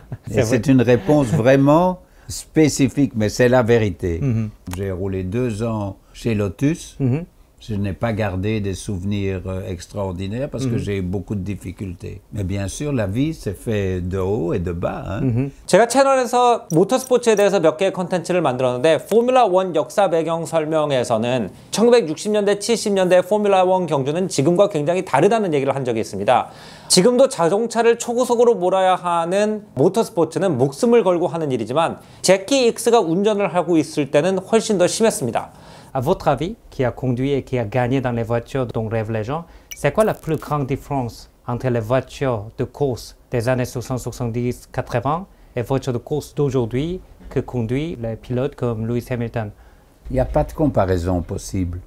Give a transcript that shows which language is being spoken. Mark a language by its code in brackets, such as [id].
[fr] C'est une réponse vraiment spécifique, mais c'est la vérité. J'ai roulé 2 ans chez Lotus. Je n'ai pas gardé des souvenirs extraordinaires parce que j'ai eu beaucoup de difficultés. Mais bien sûr, la vie s'est faite de haut et de bas. [ko] 제가 채널에서 모터스포츠에 대해서 몇 개의 콘텐츠를 만들었는데 포뮬라 1 역사 배경 설명에서는 1960년대, 70년대 포뮬라 1 경주는 지금과 굉장히 다르다는 얘기를 한 적이 있습니다. 지금도 자동차를 초고속으로 몰아야 하는 모터스포츠는 목숨을 걸고 하는 일이지만 제키 익스가 운전을 하고 있을 때는 훨씬 더 심했습니다. [fr] À votre avis, qui a conduit et qui a gagné dans les voitures dont rêvent les gens, c'est quoi la plus grande différence entre les voitures de course des années 70-80 et les voitures de course d'aujourd'hui que conduisent les pilotes comme Lewis Hamilton? Il n'y a pas de comparaison possible.